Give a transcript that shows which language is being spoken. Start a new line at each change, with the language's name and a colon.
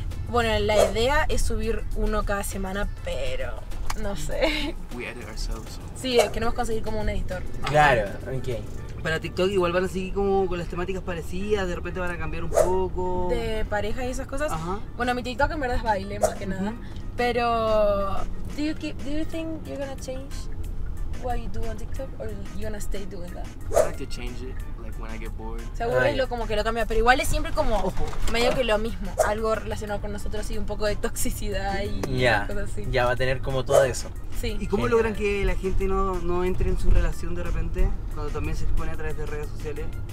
Spanish: Bueno, la idea es subir uno cada semana, pero no sé.
English: We edit ourselves.
Spanish: Sí, queremos conseguir como un editor. Claro, ok. Para TikTok igual van a seguir como con las temáticas parecidas, de repente van a cambiar un poco. De pareja y esas cosas. Ajá. Bueno, mi TikTok en verdad es baile, más que nada.
English: Pero, do you think you're gonna change what you do on TikTok, or you gonna stay doing that? I like to change it. When I get bored.
Spanish: Seguro es lo como que lo cambia, pero igual es siempre como medio que lo mismo, algo relacionado con nosotros y un poco de toxicidad y cosas así. Ya va a tener como todo eso. Sí. ¿Y cómo logran que la gente no entre en su relación de repente cuando también se expone a través de redes sociales?